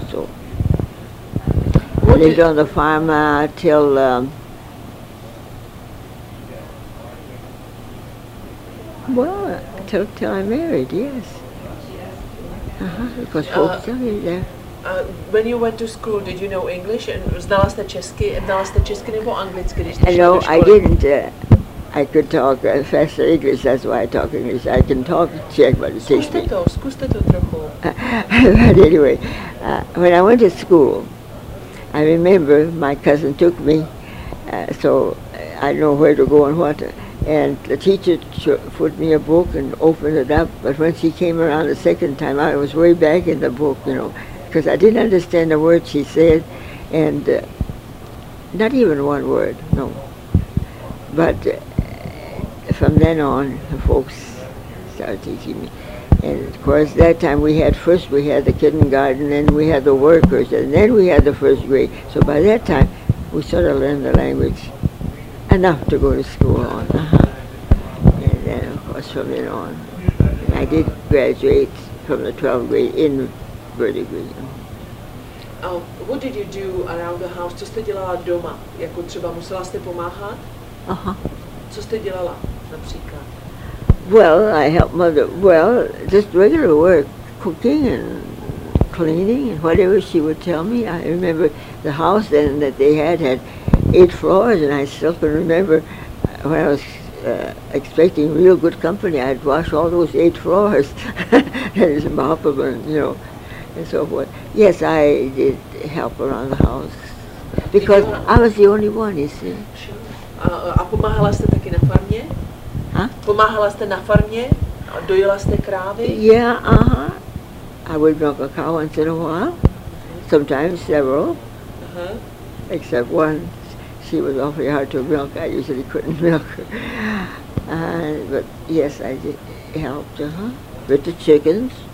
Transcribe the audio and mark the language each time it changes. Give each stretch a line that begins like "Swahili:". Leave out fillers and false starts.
English: So I lived on the farm till till I married. Yes, because folks still live there. When you went to school, did you know English?
Czech: And znala jste česky? Znala jste česky nebo anglicky, když jste šla do školy?
English: No, I didn't. I could talk faster English, that's why I talk English. I can talk Czech, but it's easy.
Czech: Zkuste to trochu.
English: But anyway, when I went to school, I remember my cousin took me, so I didn't know where to go and what. And the teacher put me a book and opened it up, but when she came around the second time, I was way back in the book, you know. Because I didn't understand a word she said, and not even one word, no. But from then on, the folks started teaching me. And of course, that time we had the kindergarten, then we had the workers, and then we had the first grade. So by that time, we sort of learned the language enough to go to school on. Uh-huh. And then, of course, from then on, and I did graduate from the 12th grade in Verdigris. What did you do around the house?
Czech: Co jste dělala doma? Jako třeba musela jste pomáhat? Aha. Co jste dělala například?
English: Well, I helped mother. Well, just regular work, cooking and cleaning and whatever she would tell me. I remember the house then that they had 8 floors, and I still can remember when I was expecting real good company, I'd wash all those 8 floors. That is mopable, you know. And so forth. Yes, I did help around the house because I was the only one, you see. Sure.
Czech: A pomáhala jste taky na farmě? Huh? Pomáhala jste na farmě? Dojela jste krávy?
English: Yeah, I would milk a cow once in a while. Uh-huh. Sometimes several. Uh-huh. Except one, she was awfully hard to milk. I usually couldn't milk her. But yes, I did help her with the chickens.